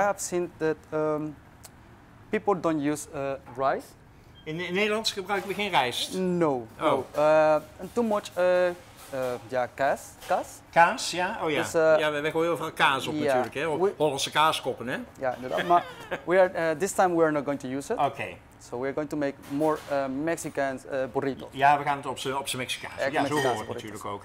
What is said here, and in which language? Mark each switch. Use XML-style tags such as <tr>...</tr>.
<en>I have seen that people don't use rice.</en> <nl>In Nederlands gebruiken we geen rijst.</nl> <en>No. Oh. No. Too much kaas.</en> <nl>Kaas, ja. Oh ja. Dus, ja, we gooien heel veel kaas op natuurlijk, hè? Hollandse kaaskoppen, hè? Ja, inderdaad.</nl> <en>Maar this time we are not going to use it. Okay. So we are going to make more Mexican burritos.</en> <nl>Ja, we gaan het op zijn Mexicaans. Ja, zo hoor ik natuurlijk ook.</nl>